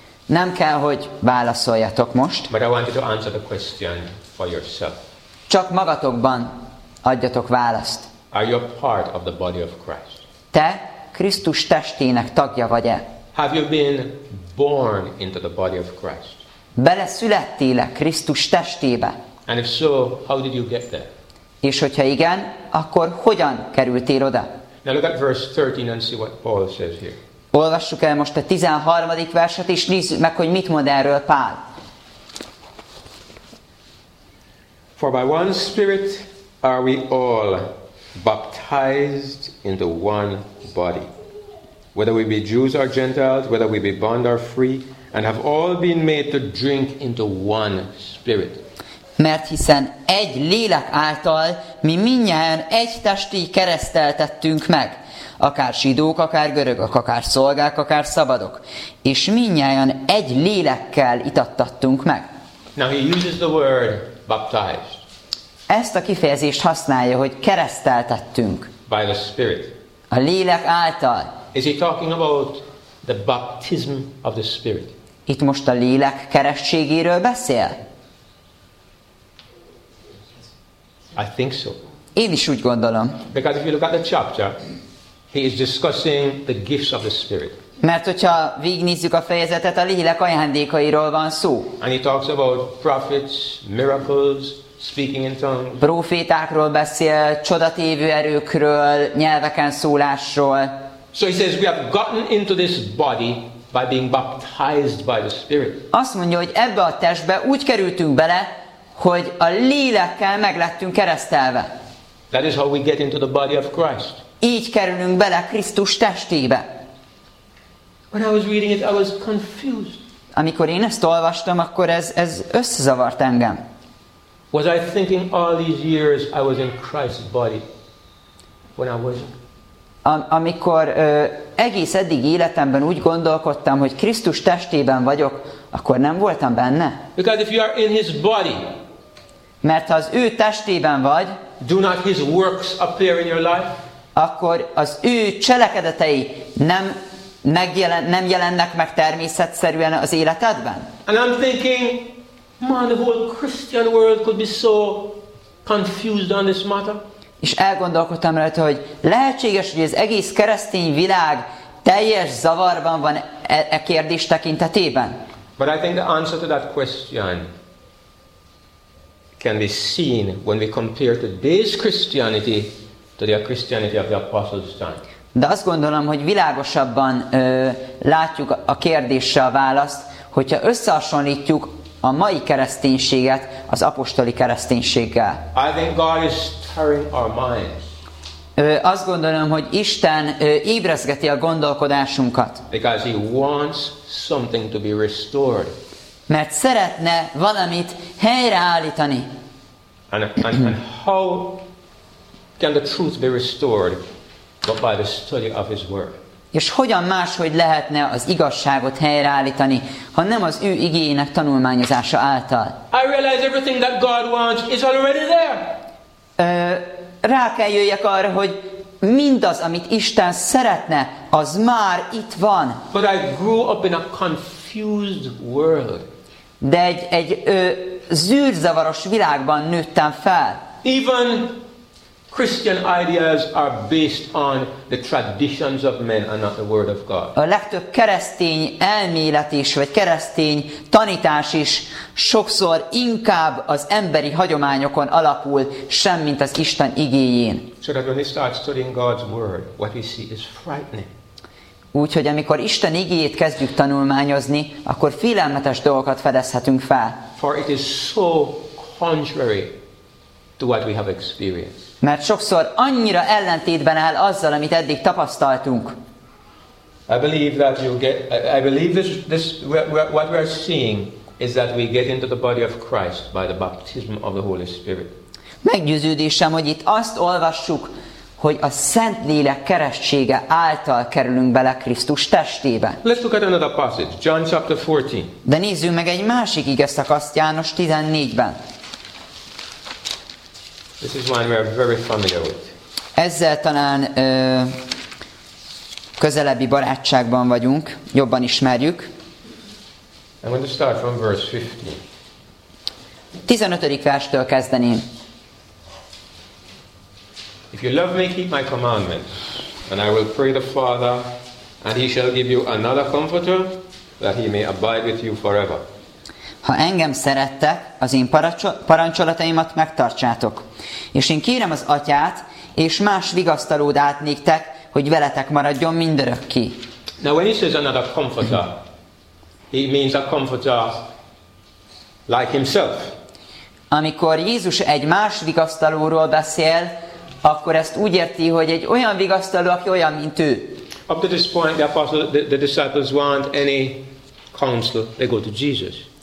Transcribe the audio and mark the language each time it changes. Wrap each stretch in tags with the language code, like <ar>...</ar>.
<hu>Nem kell, hogy válaszoljatok most.</hu> <en>But I want you to answer the question for yourself.</en> <hu>Csak magatokban adjatok választ.</hu> <en>Are you a part of the body of Christ?</en> <hu>Te Krisztus testének tagja vagy-e?</hu> <en>Have you been born into the body of Christ?</en> <hu>Beleszülettél-e Krisztus testébe?</hu> <en>And if so, how did you get there?</en> <hu>És hogyha igen, akkor hogyan kerültél oda?</hu> <en>Now look at verse 13 and see what Paul says here.</en> <hu>Olvassuk el most a 13. verset, és nézzük meg, hogy mit mond erről Pál.</hu> <en>For by one spirit are we all baptized into one body. Whether we be Jews or Gentiles, whether we be bond or free, and have all been made to drink into one spirit.</en> <hu>Mert hiszen egy lélek által mi mindnyáján egy testé kereszteltettünk meg, akár zsidók, akár görögök, akár szolgák, akár szabadok, és mindnyáján egy lélekkel itattattunk meg.</hu> <en>Now he uses the word baptized.</en> <hu>Ezt a kifejezést használja, hogy kereszteltettünk.</hu> <en>By the Spirit.</en> <hu>A lélek által.</hu> <en>Is he talking about the baptism of the Spirit?</en> <hu>Itt most a lélek keresztségéről beszél?</hu> <en>I think so.</en> <hu>Én is úgy gondolom.</hu> <en>Because if you look at the chapter, he is discussing the gifts of the Spirit.</en> <hu>Mert hogyha végignézzük a fejezetet, a lélek ajándékairól van szó.</hu> <en>And he talks about prophets, miracles, speaking in tongues.</en> <hu>Prófétákról beszél, csodatévő erőkről, nyelveken szólásról.</hu> <en>So he says we have gotten into this body by being baptized by the Spirit.</en> <hu>Azt mondja, hogy ebbe a testbe úgy kerültünk bele, hogy a lélekkel meglettünk keresztelve.</hu> <en>That is how we get into the body of Christ.</en> <hu>Így kerülünk bele Krisztus testébe.</hu> <en>When I was reading it, I was confused.</en> <hu>Amikor én ezt olvastam, akkor ez összezavart engem.</hu> <en>Was I thinking all these years I was in Christ's body when I was?</en> <hu>Amikor egész eddig életemben úgy gondolkodtam, hogy Krisztus testében vagyok, akkor nem voltam benne.</hu> <en>Because if you are in his body,</en> <hu>mert ha az ő testében vagy,</hu> <en>do not his works appear in your life?</en> <hu>Akkor az ő cselekedetei nem jelennek meg természetszerűen az életedben.</hu> <en>And I'm thinking, man, the whole Christian world could be so confused on this matter.</en> <hu>És elgondolkodtam rajta, hogy lehetséges, hogy az egész keresztény világ teljes zavarban van e kérdés tekintetében.</hu> <en>But I think the answer to that question can be seen when we compare today's Christianity to the Christianity of the Apostles' time.</en> <hu>De azt gondolom, hogy világosabban látjuk a kérdésre a választ, hogyha összehasonlítjuk a mai kereszténységet az apostoli kereszténységgel.</hu> <en>I think God is stirring our minds.</en> <hu>Azt gondolom, hogy Isten ébrezgeti a gondolkodásunkat.</hu> <en>Because he wants something to be restored.</en> <hu>Mert szeretne valamit helyreállítani.</hu> <en>And how can the truth be restored but by the study of his word?</en> <hu>És hogyan máshogy lehetne az igazságot helyreállítani, ha nem az ő igéjének tanulmányozása által?</hu> <en>I realize everything that God wants is already there.</en> <hu>Rá kell jöjjek arra, hogy mindaz, amit Isten szeretne, az már itt van.</hu> <en>But I grew up in a confused world.</en> <hu>De egy zűrzavaros világban nőttem fel.</hu> <en>Even Christian ideas are based on the traditions of men and not the word of God.</en> <hu>A legtöbb keresztény elmélet is, vagy keresztény tanítás is sokszor inkább az emberi hagyományokon alapul, sem mint az Isten igéjén.</hu> <en>So that when we start studying God's word, what we see is frightening.</en> <hu>Úgyhogy amikor Isten igéjét kezdjük tanulmányozni, akkor félelmetes dolgokat fedezhetünk fel.</hu> <en>For it is so contrary to what we have experienced.</en> <hu>Mert sokszor annyira ellentétben áll azzal, amit eddig tapasztaltunk.</hu> <en>I believe that you get, I believe this, this what we are seeing is that we get into the body of Christ by the baptism of the Holy Spirit.</en> <hu>Meggyőződésem, hogy itt azt olvassuk, hogy a Szentlélek keresztsége által kerülünk bele Krisztus testébe.</hu> <en>Let's look at another passage, John chapter 14.</en> <hu>De nézzünk meg egy másik igeszakaszt János 14-ben.</hu> <en>This is one we are very familiar with.</en> <hu>Ezzel talán közelebbi barátságban vagyunk, jobban ismerjük.</hu> <en>I'm going to start from verse 15.</en> <hu>15. verstől kezdeném.</hu> <en>If you love me, keep my commandments, and I will pray the Father, and he shall give you another comforter, that he may abide with you forever.</en> <hu>Ha engem szerettek, az én parancsolataimat megtartsátok. És én kérem az Atyát, és más vigasztalód átnéktek, hogy veletek maradjon mindörökké.</hu> <en>Now when he says another comforter, he means a comforter like himself.</en> <hu>Amikor Jézus egy más vigasztalóról beszél, akkor ezt úgy érti, hogy egy olyan vigasztaló, aki olyan, mint ő.</hu> <en>Up to this point, the apostles, the disciples want any counsel, they go to Jesus.</en>